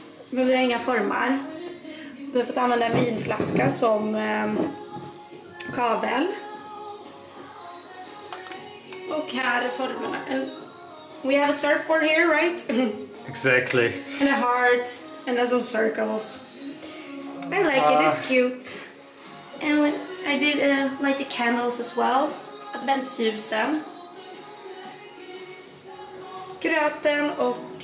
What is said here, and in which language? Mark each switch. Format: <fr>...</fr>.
<sv>Men vi har inga formar. Vi har fått använda en vinflaska som kavel. Och här är formerna.</sv> <en>We have a surfboard here, right? Exactly. And a heart, and there's some circles. I like it, it's cute. And I did light the candles as well.</en> <sv>Adventsljusen, gröten och</sv>